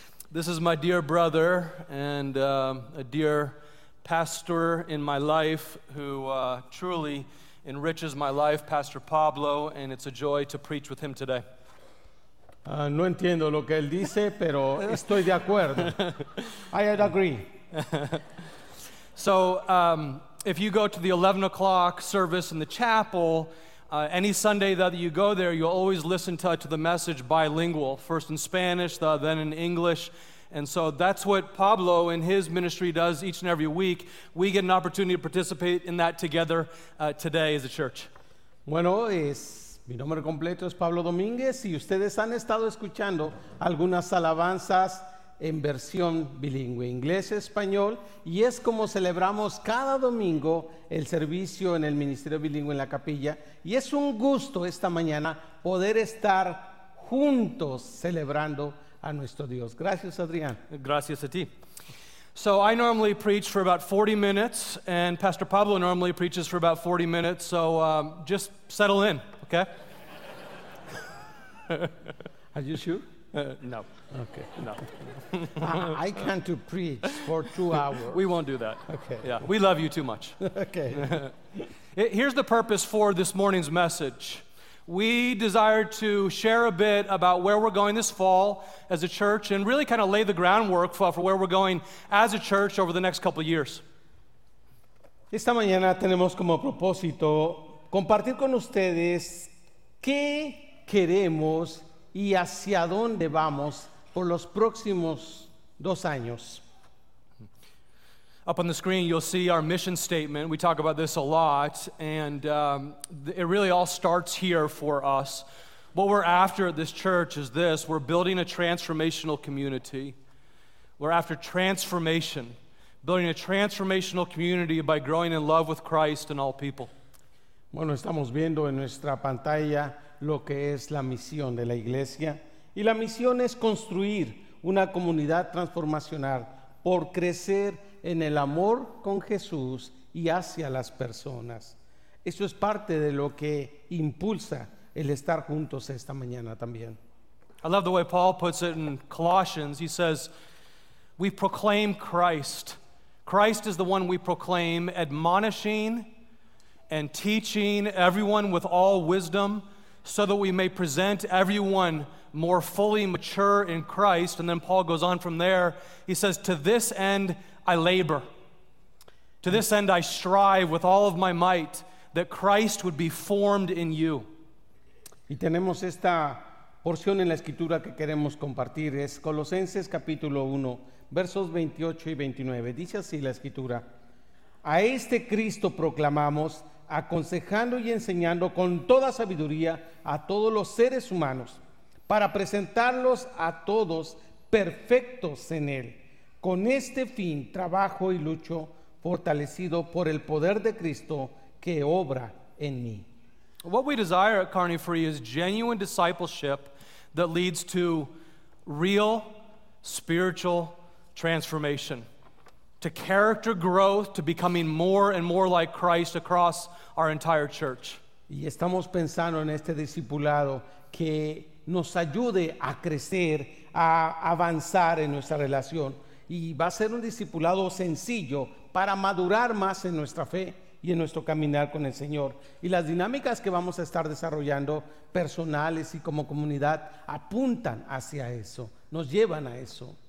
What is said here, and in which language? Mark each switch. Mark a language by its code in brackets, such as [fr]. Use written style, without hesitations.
[en] This is my dear brother and a dear pastor in my life who truly enriches my life, Pastor Pablo, and it's a joy to preach with him today. [es] No entiendo lo que él dice, pero estoy de acuerdo. [en] I agree. So, if you go to the 11 o'clock service in the chapel, any Sunday that you go there, you'll always listen to the message bilingual, first in Spanish, then in English. And so that's what Pablo and his ministry does each and every week. We get an opportunity to participate in that together today as a church. [es] Bueno, mi nombre completo es Pablo Domínguez, y ustedes han estado escuchando algunas alabanzas en versión bilingüe, inglés-español, y es como celebramos cada domingo el servicio en el Ministerio Bilingüe en la Capilla. Y es un gusto esta mañana poder estar juntos celebrando a nuestro Dios. Gracias, Adrián. Gracias a ti. [en] So I normally preach for about 40 minutes, and Pastor Pablo normally preaches for about 40 minutes, so just settle in, okay? Are you sure? No. Okay. No. I can't to preach for 2 hours. We won't do that. Okay. Yeah. We love you too much. Okay. Here's the purpose for this morning's message. We desire to share a bit about where we're going this fall as a church and really kind of lay the groundwork for where we're going as a church over the next couple of years. [es] Esta mañana tenemos como propósito compartir con ustedes qué queremos y hacia dónde vamos por los próximos 2 años. [en] Up on the screen, you'll see our mission statement. We talk about this a lot, and it really all starts here for us. What we're after at this church is this: we're building a transformational community. We're after transformation, building a transformational community by growing in love with Christ and all people. [es] Bueno, estamos viendo en nuestra pantalla lo que es la misión de la iglesia, y la misión es construir una comunidad transformacional por crecer en el amor con Jesús y hacia las personas. Eso es parte de lo que impulsa el estar juntos esta mañana también. [en] I love the way Paul puts it in Colossians. He says, we proclaim Christ. Christ is the one we proclaim, admonishing and teaching everyone with all wisdom, so that we may present everyone more fully mature in Christ. And then Paul goes on from there. He says, to this end I labor. To this end, I strive with all of my might that Christ would be formed in you. [es] Y tenemos esta porción en la escritura que queremos compartir. Es Colosenses capítulo 1, versos 28 y 29. Dice así la escritura: a este Cristo proclamamos, aconsejando y enseñando con toda sabiduría a todos los seres humanos, para presentarlos a todos perfectos en él. Con este fin, trabajo y lucho, fortalecido por el poder de Cristo que obra en mí. [en] What we desire at Kearney Free is genuine discipleship that leads to real spiritual transformation, to character growth, to becoming more and more like Christ across our entire church. [es] Y estamos pensando en este discipulado que nos ayude a crecer, a avanzar en nuestra relación. Y va a ser un discipulado sencillo para madurar más en nuestra fe y en nuestro caminar con el Señor. Y las dinámicas que vamos a estar desarrollando personales y como comunidad apuntan hacia eso, nos llevan a eso.